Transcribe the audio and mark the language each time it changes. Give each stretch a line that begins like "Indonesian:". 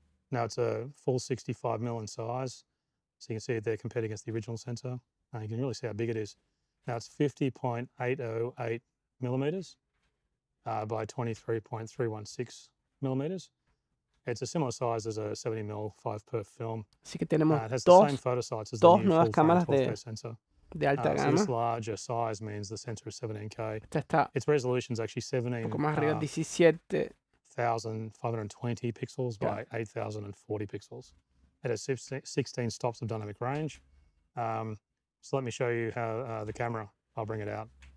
English: Now it's a full 65mm in size. So you can see it there compared against the original sensor. And you can really see how big it is. Now it's 50.808mm by 23.316mm. It's a similar size as a 70mm 5 perf film.
Spanish: Así que tenemos dos nuevas cámaras de alta gama.
English: This larger size means the sensor is 17K.
Spanish: Esta está
English: its resolution is actually 17.
Spanish: Un poco más arriba, 17,520
English: pixels by 8,040 pixels. It has 16 stops of dynamic range. So let me show you how the camera. I'll bring it out.